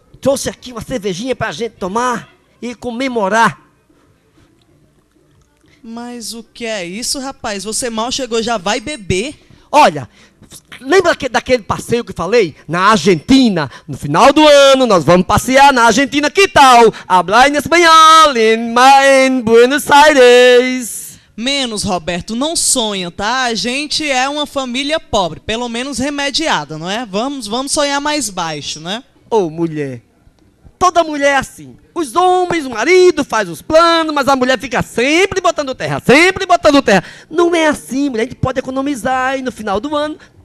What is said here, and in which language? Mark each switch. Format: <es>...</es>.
<pt>Trouxe aqui uma cervejinha pra gente tomar e comemorar. Mas o que é isso, rapaz? Você mal chegou, já vai beber. Olha, lembra daquele passeio que falei? Na Argentina. No final do ano, nós vamos passear na Argentina. Que tal?</pt> <es>Habla en español, en Buenos Aires.</es> <pt>Menos, Roberto. Não sonha, tá? A gente é uma família pobre. Pelo menos remediada, não é? Vamos sonhar mais baixo, né? Ô, mulher. Toda mulher é assim. Os homens, o marido faz os planos, mas a mulher fica sempre botando terra. Sempre botando terra. Não é assim, mulher. A gente pode economizar e no final do ano...</pt>